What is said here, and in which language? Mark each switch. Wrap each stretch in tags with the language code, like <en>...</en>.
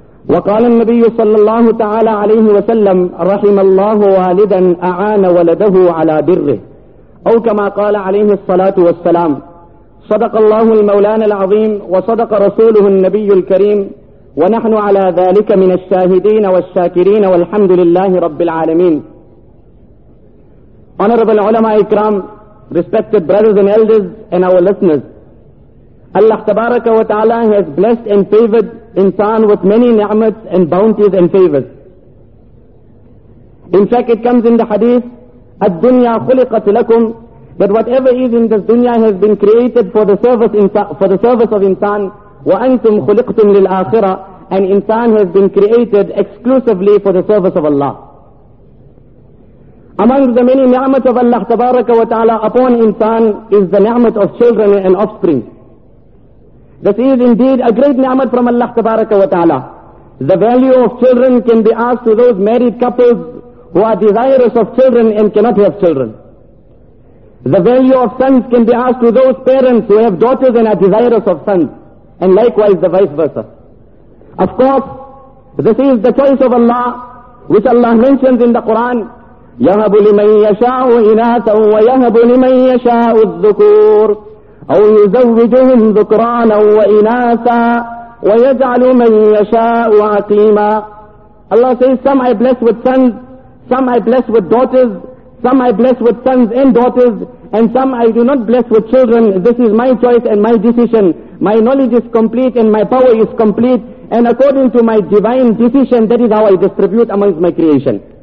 <ar>وقال النبي صلى الله تعالى عليه وسلم: رحم الله والدا أعان ولده على بره، أو كما قال عليه الصلاة والسلام. صدق الله المولانا العظيم وصدق رسوله النبي الكريم، ونحن على ذلك من الشاهدين والشاكرين، والحمد لله رب العالمين.</ar> <en>Honorable</en> <ur>علماء اكرام،</ur> <en>respected brothers and elders and our listeners, Allah تبارك وتعالى has blessed and favored insan with many ni'mats and bounties and favors. In fact, it comes in the hadith:</en> <ar>الدنيا خلقت لكم.</ar> <en>That whatever is in this dunya has been created for the service of insan.</en> <ar>وَأَنْتُمْ خُلِقْتُمْ لِلْآخِرَةِ.</ar> <en>And insan has been created exclusively for the service of Allah. Among the many ni'mat of Allah tabaraka wa ta'ala upon insan is the ni'mat of children and offspring. This is indeed a great ni'mat from Allah tabaraka wa ta'ala. The value of children can be asked to those married couples who are desirous of children and cannot have children. The value of sons can be asked to those parents who have daughters and are desirous of sons, and likewise the vice versa. Of course, this is the choice of Allah, which Allah mentions in the Quran:</en> <ar>يَهَبُ لِمَنْ يَشَاءُ إِنَاثًا وَيَهَبُ لِمَنْ يَشَاءُ الذُّكُورُ أَوْ يُزَوِّجُهُمْ ذُكْرَانًا وَإِنَاثًا وَيَجْعَلُ مَنْ يَشَاءُ عَقِيمًا.</ar> <en>Allah says, some I bless with sons, some I bless with daughters, some I bless with sons and daughters, and some I do not bless with children. This is my choice and my decision. My knowledge is complete and my power is complete, and according to my divine decision, that is how I distribute amongst my creation.</en>